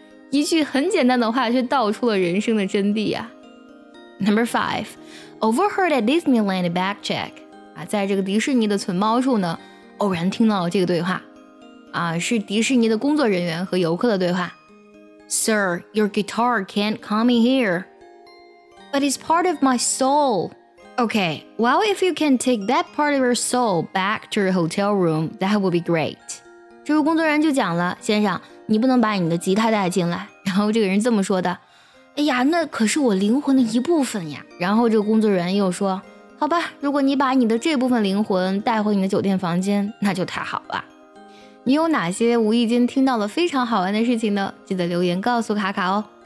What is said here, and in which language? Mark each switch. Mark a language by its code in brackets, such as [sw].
[zh] 一句很简单的话却道出了人生的真谛啊。 [en] Number five,Overheard at Disneyland bag check. [zh] 在这个迪士尼的存包处呢，偶然听到了这个对话。是迪士尼的工作人员和游客的对话。 [en] Sir, your guitar can't come in here. But it's part of my soul. Okay, well, if you can take that part of your soul back to your hotel room, that would be great. [zh] 这位工作人员就讲了，先生，你不能把你的吉他带进来。然后这个人这么说的。哎呀那可是我灵魂的一部分呀然后这个工作人员又说好吧如果你把你的这部分灵魂带回你的酒店房间那就太好了你有哪些无意间听到了非常好玩的事情呢记得留言告诉卡卡哦